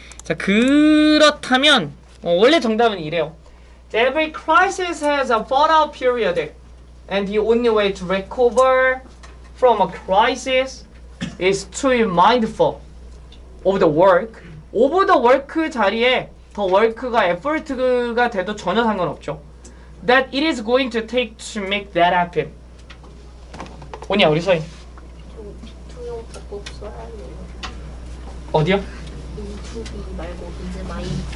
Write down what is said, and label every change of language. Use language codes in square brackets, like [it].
[ko] 자, 그렇다면 원래 정답은 이래요. [en] Every crisis has a fallout period, and the only way to recover from a crisis is to be mindful of the work. Of the work [ko] 자리에 the work가 effort가 돼도 전혀 상관없죠. [en] That it is going to take to make that happen. [ko] 오니야, 우리 서인. 유튜브 영상 꼭 써야 해요. 어디요? 유튜브 말고 이제 마인드.